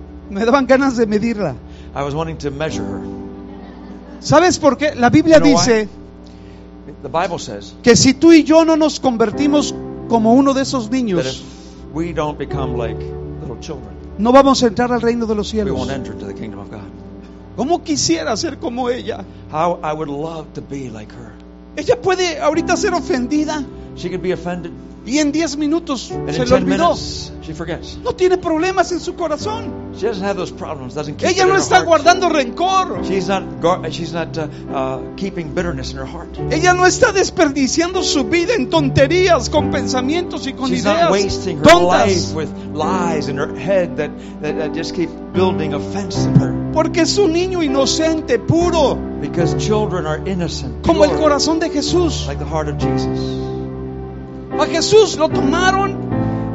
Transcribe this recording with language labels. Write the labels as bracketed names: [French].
[Spanish] Me daban ganas de medirla. [English] I was wanting to measure her. [Spanish] ¿Sabes por qué? La Biblia dice, [English] the Bible says, [Spanish] que si tú y yo no nos convertimos como uno de esos niños, [English] we don't become like little children, [Spanish] no vamos a entrar al reino de los cielos. [English] We won't enter into the kingdom of God. [Spanish] ¿Cómo quisiera ser como ella? [English] How I would love to be like her. [Spanish] Ella puede ahorita ser ofendida. [English] She could be offended. [Spanish] Y en 10 minutos [English] and [Spanish] se lo olvidó. [English] Minutes, she forgets. [Spanish] No tiene problemas en su corazón. [English] She doesn't have those problems. Doesn't [Spanish] keep ella no está guardando rencor. [English] Keeping bitterness in her heart. [Spanish] Ella no está desperdiciando su vida en tonterías con pensamientos y con [English] she's [Spanish] ideas. [English] She's not wasting her [Spanish] tontas [English] life with lies in her head that just keep building offense in her. [Spanish] Porque es un niño inocente, puro. [English] Because children are innocent. [Spanish] Como el corazón de Jesús. [English] Like the heart of Jesus. [Spanish] A Jesús lo tomaron.